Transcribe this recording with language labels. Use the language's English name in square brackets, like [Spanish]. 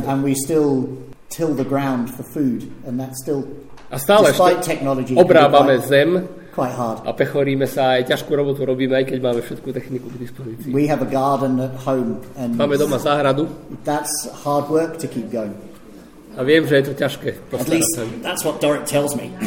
[English] And we still till the ground for food, and that's still, despite technology, [Slovak] obrábame zem. [English] Quite hard. [Slovak] A pechoríme sa, aj ťažkú robotu robíme, aj keď máme všetku techniku k dispozícii. [English] We have a garden at home and [Slovak] máme doma záhradu. [English] That's hard work to keep going. [Slovak] A viem, že je to ťažké. [English] At least that's what Dorit tells me.